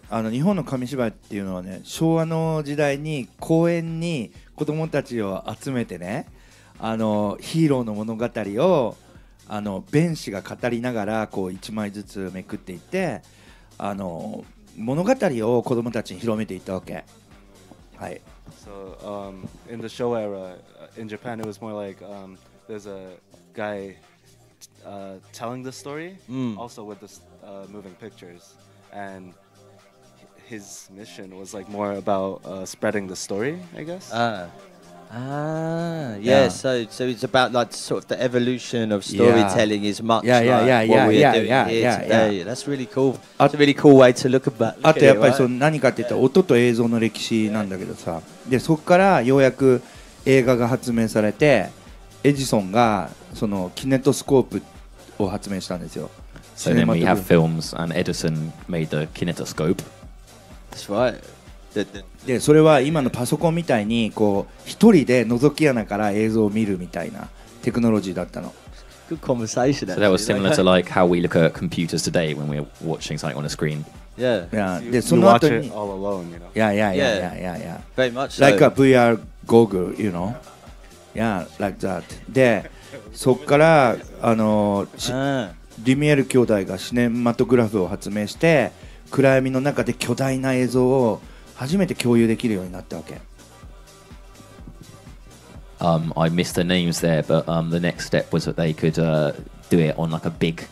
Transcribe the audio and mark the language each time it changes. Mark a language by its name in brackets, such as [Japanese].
[Japanese] 日本の紙芝居っていうのはね、昭和の時代に公園に子供たちを集めてね、あのヒーローの物語をあの弁士が語りながらこう1枚ずつめくっていって、あの物語を子供たちに広めていったわけ。はい。 [English] So, in the show era, in Japan, it was more like, there's a guy, telling the story, also with the, moving pictures, and his mission was like more about, spreading the story, I guess. So it's about like sort of the evolution of storytelling yeah. is much like what we're doing here today. That's really cool. That's a really cool way to look at it. [Japanese] あとやっぱりその何かって言ったら音と映像の歴史なんだけどさ、でそこからようやく映画が発明されて、エジソンがそのキネトスコープを発明したんですよ。 [English] So then we have films and Edison made the kinetoscope. That's right. [Japanese] でそれは今のパソコンみたいにこう一人で覗き穴から映像を見るみたいなテクノロジーだったの。 [English] good conversation. So actually, that was similar like, to like how we look at computers today when we're watching something on a screen. Yeah. Yeah. You, you watch it all alone, you know. Yeah. Very much. Like so. A VR goggle, you know. Yeah, like that. [Japanese] で、そっからあの、リミエル兄弟がシネマトグラフを発明して、暗闇の中で巨大な映像を初めて共有できるようになったわけ。 [English] I missed the names there, but the next step was that they could do it on like a big